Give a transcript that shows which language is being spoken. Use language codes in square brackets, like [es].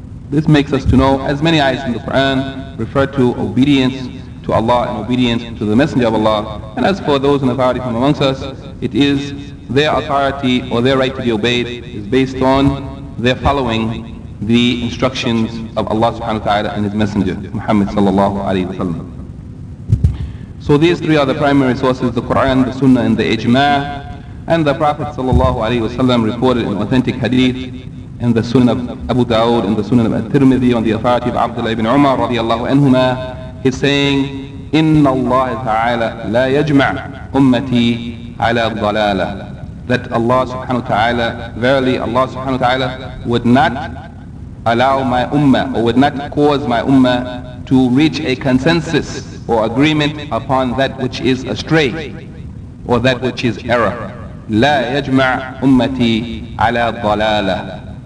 [en] This makes us to know, as many ayahs in the Quran refer to obedience to Allah and obedience to the Messenger of Allah, and as for those in authority from amongst us, it is their authority or their right to be obeyed is based on their following the instructions of Allah subhanahu wa ta'ala and His Messenger, Muhammad sallallahu alayhi wa sallam. So these three are the primary sources, the Quran, the Sunnah, and the Ijma'ah, and the Prophet sallallahu alayhi wa sallam reported an authentic hadith in the Sunnah of Abu Dawud and the Sunnah of At-Tirmidhi on the authority of Abdullah ibn Umar radiallahu anhuma. He's saying, [ar] إِنَّ اللَّهِ تَعَالَى لَا يَجْمَعْ أُمَّتِي عَلَى الضَّلَالَ. [en] That Allah subhanahu wa ta'ala, verily Allah subhanahu wa ta'ala would not allow my ummah, or would not cause my ummah to reach a consensus or agreement upon that which is astray, or that which is error. [ar] لَا يَجْمَعْ أُمَّتِي عَلَى الضَّلَالَ.